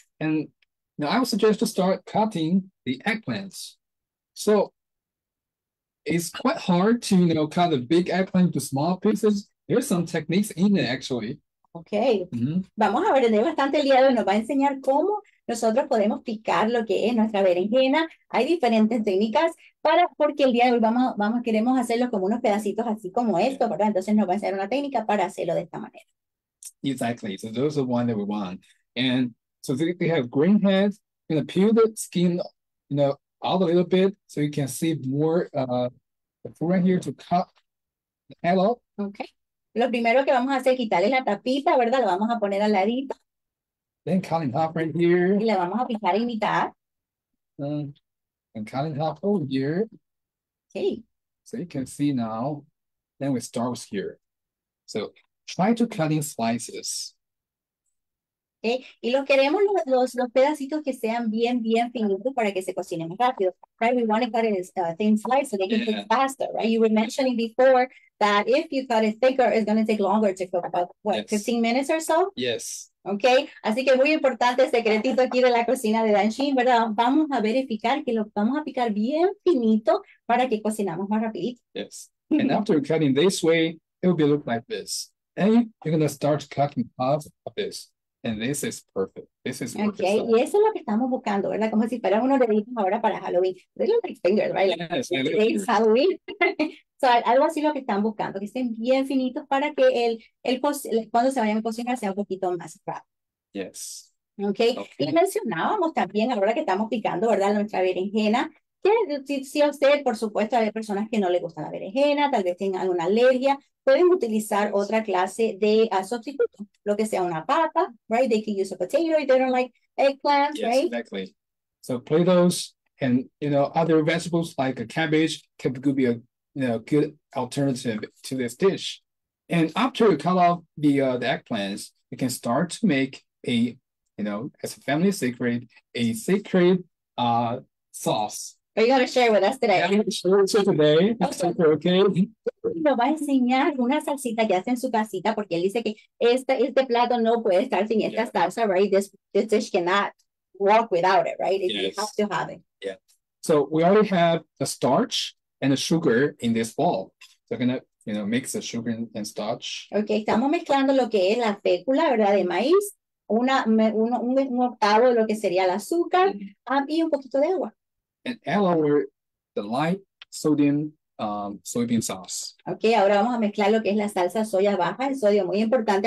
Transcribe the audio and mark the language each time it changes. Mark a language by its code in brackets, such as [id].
[en] And now I would suggest to start cutting the eggplants. So it's quite hard to cut the big eggplant into small pieces. There's some techniques in it actually. [es] Okay, vamos a aprender bastante el día de hoy. Nos va a enseñar cómo nosotros podemos picar lo que es nuestra berenjena. Hay diferentes técnicas porque el día de hoy queremos hacerlo como unos pedacitos así como esto, ¿verdad? Entonces nos va a enseñar una técnica para hacerlo de esta manera. [en] Exactly. So those are the ones that we want. And so they have green heads. You're gonna peel the skin, out a little bit so you can see more the front here to cut the head off. Okay. [es] Lo primero que vamos a hacer es quitarle la tapita, ¿verdad? La vamos a poner al ladito. [en] Then cutting off right [es] Y [en] here. [es] la vamos a picar en mitad. [en] And cutting off over here. Okay. So you can see now. Then we start with here. So try to cut in slices. Okay. [es] Y los queremos los pedacitos que sean bien, bien finitos para que se cocinen más rápido. [en] Right? We want to cut it as thin slices so they can cook Yeah. faster, right? You were mentioning before that if you cut it thicker, it's going to take longer to cook, about what, 15 minutes or so? Yes. [es] Okay, así que muy importante secretito aquí de la cocina de Danchin, ¿verdad? Vamos a verificar que lo vamos a picar bien finito para que cocinamos más rapidito. Yes. [en] And after cutting this way, it will be look like this. And you're gonna start cutting off of this. And this is perfect. This is perfect Okay, size. [es] y eso es lo que estamos buscando, ¿verdad? Como si fuera uno de ellos ahora para Halloween. [en] Little fingers, right? Like, Yes, my little today is Halloween. [es] So, algo así lo que están buscando, que estén bien finitos para que cuando se vayan a cocinar sea un poquito más rápido. [en] Yes. [es] Ok, y [en] Okay. [es] mencionábamos también ahora que estamos picando, ¿verdad? Nuestra berenjena, que si a usted, por supuesto, hay personas que no le gusta la berenjena, tal vez tengan alguna alergia, pueden utilizar otra clase de sustituto, lo que sea una papa, right? [en] They can use a potato if they don't like eggplants, Yes, right? exactly. So potatoes and other vegetables like a cabbage could be a good alternative to this dish. And after you cut off the eggplants, you can start to make a as a family secret, a secret sauce. Are you going to share with us today? Yeah, sure, today. Okay. Okay. [es] Nos va a enseñar una salsita que hace en su casita porque él dice que este plato no puede estar sin esta [en] Yeah. salsa, right? This dish cannot walk without it, right? If you have Yes. to have it. Yeah. So we already have the starch and the sugar in this bowl. So we're gonna, mix the sugar and starch. [es] Okay, estamos mezclando lo que es la fécula, ¿verdad? De maíz, un octavo de lo que sería el azúcar, y un poquito de agua. [en] And add our the light sodium soybean sauce. [es] Ok, ahora vamos a mezclar lo que es la salsa soya baja, el sodio muy importante.